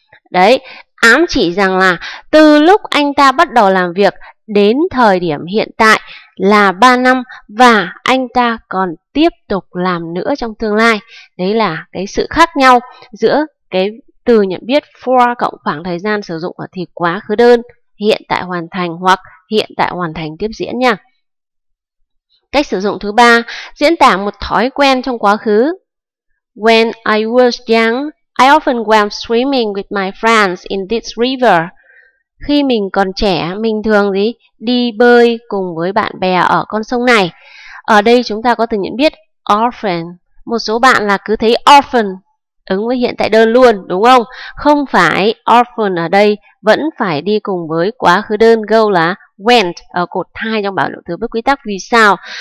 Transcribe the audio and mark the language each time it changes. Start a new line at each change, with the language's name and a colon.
Vietnamese: Đấy, ám chỉ rằng là từ lúc anh ta bắt đầu làm việc đến thời điểm hiện tại là 3 năm và anh ta còn tiếp tục làm nữa trong tương lai. Đấy là cái sự khác nhau giữa cái từ nhận biết for cộng khoảng thời gian sử dụng ở thì quá khứ đơn, hiện tại hoàn thành hoặc hiện tại hoàn thành tiếp diễn nha. Cách sử dụng thứ ba, diễn tả một thói quen trong quá khứ.
English: When I was young, I often went swimming with my friends in this river.
Vietnamese: Khi mình còn trẻ, mình thường đi bơi cùng với bạn bè ở con sông này. Ở đây chúng ta có từ nhận biết orphan. Một số bạn là cứ thấy orphan ứng với hiện tại đơn luôn, đúng không? Không phải, orphan ở đây vẫn phải đi cùng với quá khứ đơn go là went ở cột 2 trong bảng động từ bất quy tắc. Vì sao?